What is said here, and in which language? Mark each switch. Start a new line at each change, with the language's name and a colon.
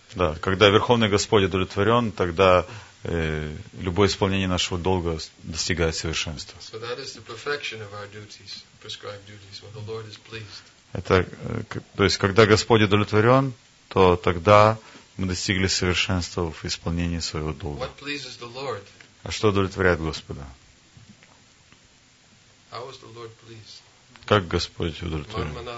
Russian: Да, когда Верховный Господь удовлетворен, тогда любое исполнение нашего долга достигает совершенства.
English: So that is the perfection of our duties, prescribed duties, when the Lord is pleased.
Russian: Это, то есть, когда Господь удовлетворен, то тогда мы достигли совершенства в исполнении своего долга.
English: What pleases the Lord?
Russian: А что удовлетворяет Господа?
English: How is the Lord pleased?
Russian: Как Господь удовлетворен?